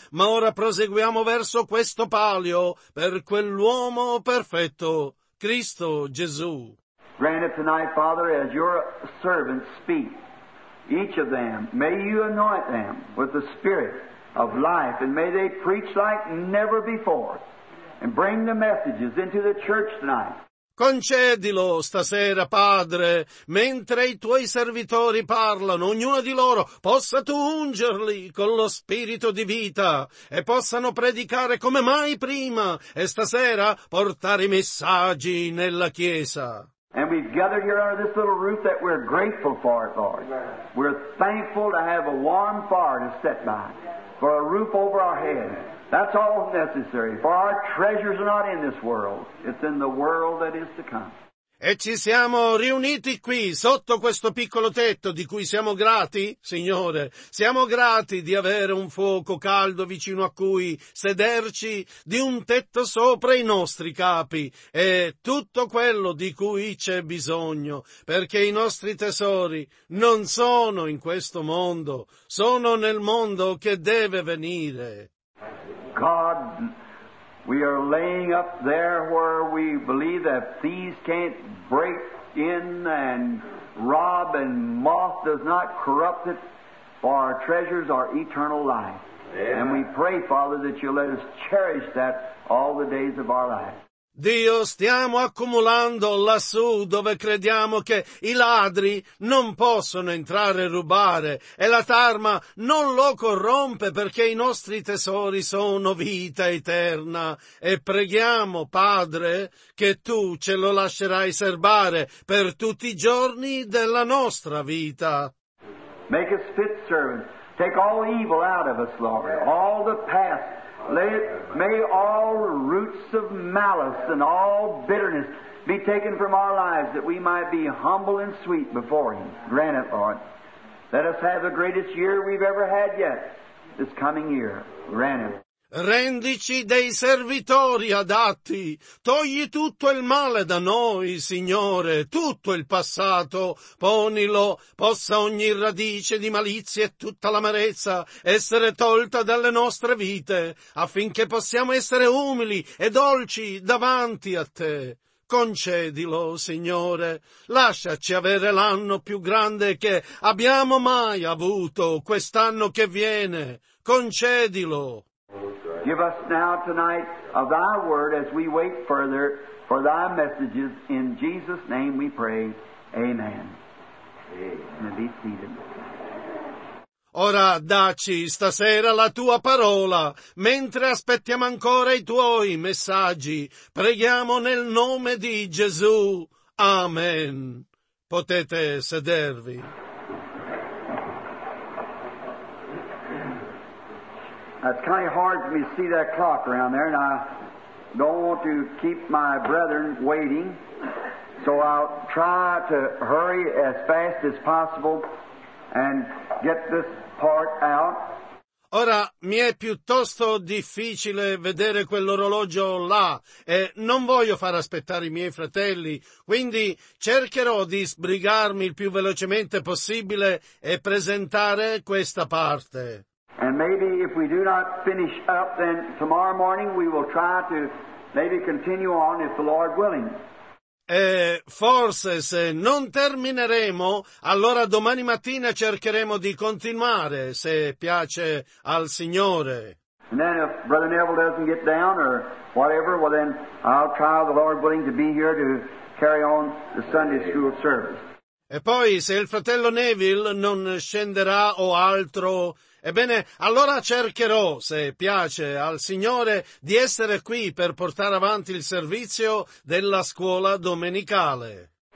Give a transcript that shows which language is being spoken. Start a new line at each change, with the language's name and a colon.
Italian: Ma ora proseguiamo verso questo palio, per quell'uomo perfetto, Cristo Gesù.
English: Grant it tonight, Father, as Your servants speak, each of them, may You anoint them with the Spirit of life, and may they preach like never before, and bring the messages into the church tonight.
Italian: Concedilo stasera, Padre, mentre i Tuoi servitori parlano, ognuno di loro possa Tu ungerli con lo spirito di vita e possano predicare come mai prima e stasera portare i messaggi nella Chiesa.
English: And we've gathered here under this little roof that we're grateful for, Lord. We're thankful to have a warm fire to set by, for a roof over our head. That's all necessary, for our treasures are not in this world. It's in the world that is to come.
Italian: E ci siamo riuniti qui, sotto questo piccolo tetto di cui siamo grati, Signore. Siamo grati di avere un fuoco caldo vicino a cui sederci, di un tetto sopra i nostri capi e tutto quello di cui c'è bisogno, perché i nostri tesori non sono in questo mondo, sono nel mondo che deve venire.
English: God. We are laying up there where we believe that thieves can't break in and rob and moth does not corrupt it, for our treasures are eternal life. Amen. And we pray, Father, that You'll let us cherish that all the days of our life.
Italian: Dio, stiamo accumulando lassù dove crediamo che i ladri non possono entrare e rubare e la tarma non lo corrompe perché i nostri tesori sono vita eterna. E preghiamo, Padre, che Tu ce lo lascerai serbare per tutti i giorni della nostra vita.
English: Make us fit servants. Take all evil out of us, Lord. All the past. May all roots of malice and all bitterness be taken from our lives that we might be humble and sweet before Him. Grant it, Lord. Let us have the greatest year we've ever had yet, this coming year. Grant it.
Italian: Rendici dei servitori adatti. Togli tutto il male da noi, Signore, tutto il passato. Ponilo, possa ogni radice di malizia e tutta l'amarezza essere tolta dalle nostre vite, affinché possiamo essere umili e dolci davanti a Te. Concedilo, Signore. Lasciaci avere l'anno più grande che abbiamo mai avuto, quest'anno che viene. Concedilo.
English: Give us now tonight of Thy word as we wait further for Thy messages. In Jesus' name we pray. Amen. Amen. And be seated.
Italian: Ora dacci stasera la Tua parola, mentre aspettiamo ancora i Tuoi messaggi. Preghiamo nel nome di Gesù. Amen. Potete sedervi.
English: It's kind of hard for me to see that clock around there, and I don't want to keep my brethren waiting, so I'll try to hurry as fast as possible and get this part out.
Italian: Ora, mi è piuttosto difficile vedere quell'orologio là e non voglio far aspettare i miei fratelli, quindi cercherò di sbrigarmi il più velocemente possibile e presentare questa parte.
English: And maybe if we do not finish up, then tomorrow morning we will try to maybe continue on, if the Lord willing.
Italian: E forse se non termineremo, allora domani mattina cercheremo di continuare, se piace al Signore.
English: And then if Brother Neville doesn't get down or whatever, well then I'll try, the Lord willing, to be here to carry on the Sunday school service.
Italian: E poi se il fratello Neville non scenderà o altro, ebbene allora cercherò, se piace al Signore, di essere qui per portare avanti il servizio della scuola domenicale.